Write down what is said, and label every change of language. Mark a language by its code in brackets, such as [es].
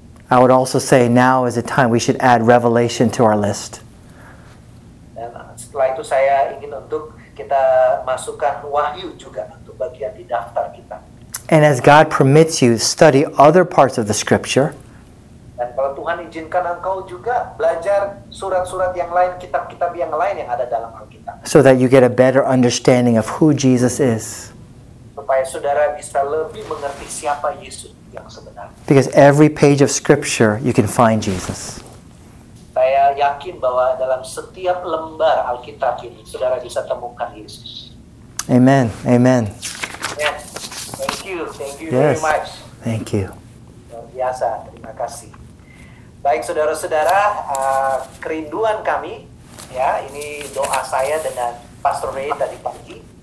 [en] I would also say now is the time we should add Revelation to our list. [id] Dan setelah itu saya ingin untuk kita masukkan Wahyu juga untuk bagian di daftar kita. [en] And as God permits you, study other parts of the Scripture. [id] Dan kalau Tuhan izinkan engkau juga belajar surat-surat yang lain, kitab-kitab yang lain yang ada dalam Alkitab. [en] So that you get a better understanding of who Jesus is. [id] Supaya saudara bisa lebih mengerti siapa Yesus yang sebenarnya. [en] Because every page of Scripture you can find Jesus. [id] Saya yakin bahwa dalam setiap lembar Alkitab ini saudara bisa temukan Yesus. [en] Amen, amen. Yes. Thank you very much. Thank you. [id] Biasa, terima kasih. Baik saudara-saudara, kerinduan kami, ya ini doa saya dengan Pastor Ray tadi pagi.